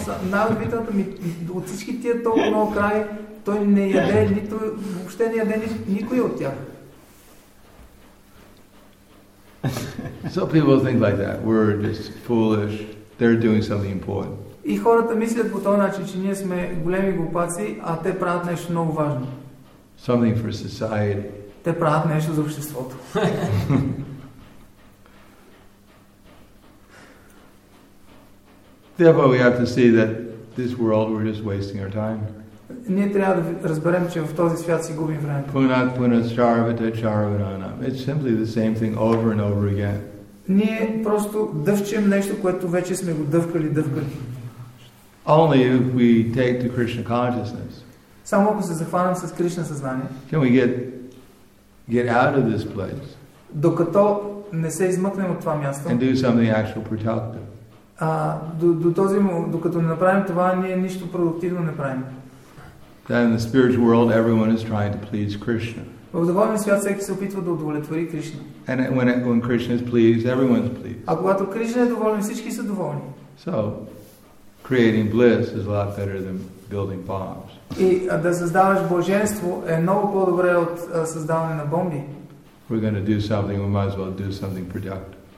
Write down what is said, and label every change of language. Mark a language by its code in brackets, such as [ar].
[bg] Най-любителното ми, от всички тия толкова много крави, той не яде нито, въобще не яде никой от тях. [en] So people think like that. We're just foolish. They're doing something important. [bg] И хората мислят по този начин, че ние сме големи глупаци, а те правят нещо много важно. [en] Something for society. [bg] Те правят нещо за обществото. [en] Therefore, we have to see that this world we're just wasting our time. [bg] Ние трябва да разберем, че в този свят си губим времето. Пунат, пунат, чаравата, чаравана. [en] It's simply the same thing over and over again. [bg] Ние просто дъвчем нещо, което вече сме го дъвкали. [en] Only if we take the Krishna consciousness. [bg] Само ако се захванем с Кришна съзнание. [en] Can we get out of this place? [bg] Докато не се измъкнем от това място. [en] And do something actual productive. [bg] Докато не направим това, ние нищо продуктивно не правим. [en] Then in the spiritual world, everyone is trying to please Krishna. [bg] В духовния свят всеки се опитва да удовлетвори Кришна. [en] And when Krishna is pleased, everyone is pleased. [bg] А когато Кришна е доволен, всички са доволни. [en] So, creating bliss is a lot better than building bombs. [bg] И да създаваш блаженство е много по-добре от създаване на бомби. [en] We're going to do something, we might as well do something productive.